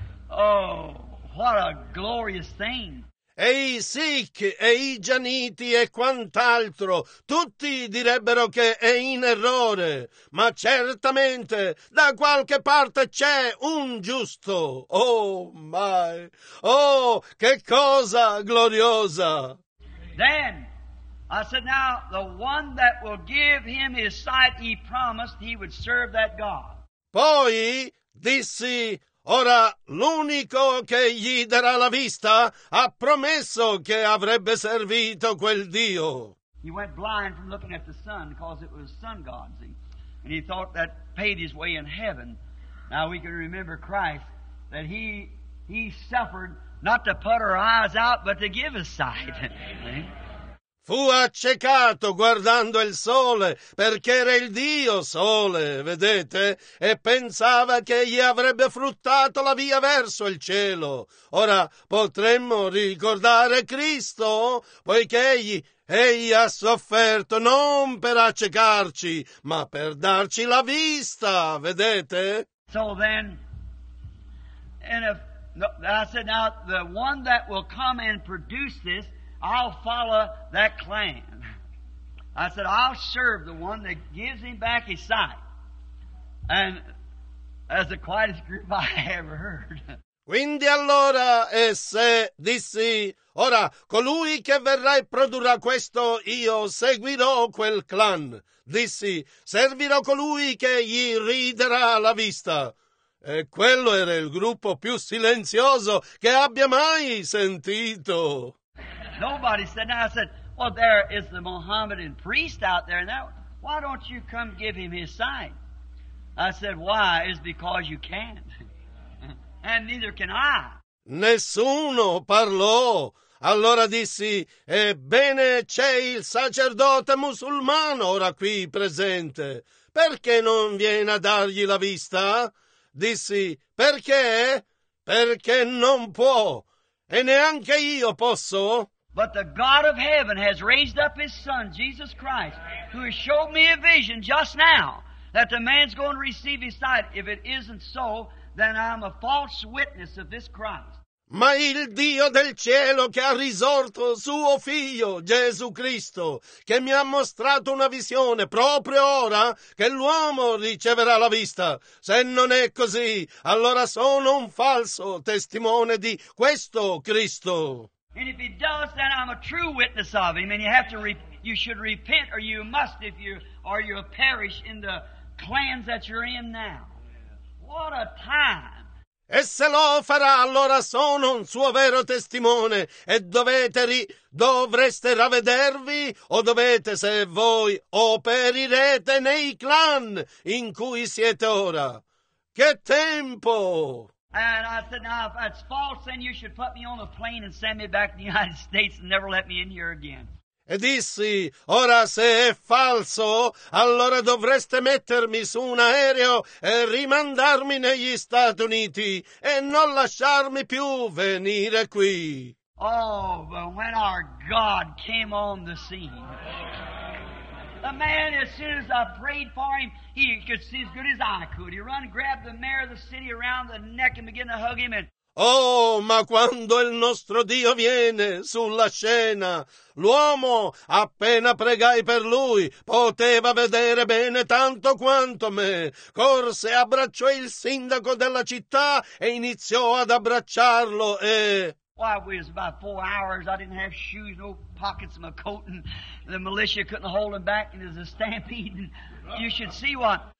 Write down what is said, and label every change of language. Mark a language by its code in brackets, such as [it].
[en] Oh, what a glorious thing. [it] E i Sikh e i Jainiti e quant'altro, tutti direbbero che è in errore, ma certamente da qualche parte c'è un giusto. [en] Oh, my. [it] Oh, che cosa gloriosa. [en] Then, I said, now, the one that will give him his sight, he promised he would serve that God. [it] Poi, dissi, ora, l'unico che gli darà la vista ha promesso che avrebbe servito quel Dio. [en] He went blind from looking at the sun because it was sun god, see? And he thought that paid his way in heaven. Now, we can remember Christ, that he suffered not to put our eyes out, but to give his sight. [it] Fu accecato guardando il sole, perché era il Dio sole, vedete? E pensava che gli avrebbe fruttato la via verso il cielo. Ora potremmo ricordare Cristo, poiché egli ha sofferto non per accecarci, ma per darci la vista, vedete? [en] So then, and if, I said, now the one that will come and produce this, I'll follow that clan. I said, I'll serve the one that gives him back his sight. And that's the quietest group I ever heard. [it] Quindi allora, e se dissi, ora, colui che verrà e produrrà questo, io seguirò quel clan. Dissi, servirò colui che gli riderà la vista. E quello era il gruppo più silenzioso che abbia mai sentito. [en] Nobody said, now I said, well, there is the Mohammedan priest out there. Now, why don't you come give him his sign? I said, why? It's because you can't. And neither can I. [it] Nessuno parlò. Allora dissi, ebbene, c'è il sacerdote musulmano ora qui presente. Perché non viene a dargli la vista? Dissi, perché? Perché non può. E neanche io posso. [en] But the God of heaven has raised up his son, Jesus Christ, who has showed me a vision just now that the man's going to receive his sight. If it isn't so, then I'm a false witness of this Christ. [it] Ma il Dio del cielo che ha risorto suo figlio, Gesù Cristo, che mi ha mostrato una visione proprio ora che l'uomo riceverà la vista. Se non è così, allora sono un falso testimone di questo Cristo. [en] And if he does, then I'm a true witness of him. And you have to, you should repent, or you must, if you, or you'll perish in the clans that you're in now. What a time! [it] E se lo farà, allora sono un suo vero testimone. E dovete dovreste ravvedervi, o dovete, se voi, o perirete nei clan in cui siete ora. Che tempo! [en] And I said, now, if that's false, then you should put me on a plane and send me back to the United States and never let me in here again. [it] E dissi, ora se è falso, allora dovreste mettermi su un aereo e rimandarmi negli Stati Uniti e non lasciarmi più venire qui. [en] Oh, but when our God came on the scene, the man, as soon as I prayed for him, he could see as good as I could. He run and grabbed the mayor of the city around the neck and began to hug him. And [it] oh, ma quando il nostro Dio viene sulla scena, l'uomo, appena pregai per lui, poteva vedere bene tanto quanto me. Corse, abbracciò il sindaco della città e iniziò ad abbracciarlo e... [en] Well, I was about 4 hours. I didn't have shoes, no pockets in my coat, and the militia couldn't hold him back, and there's a stampede, and you should see what.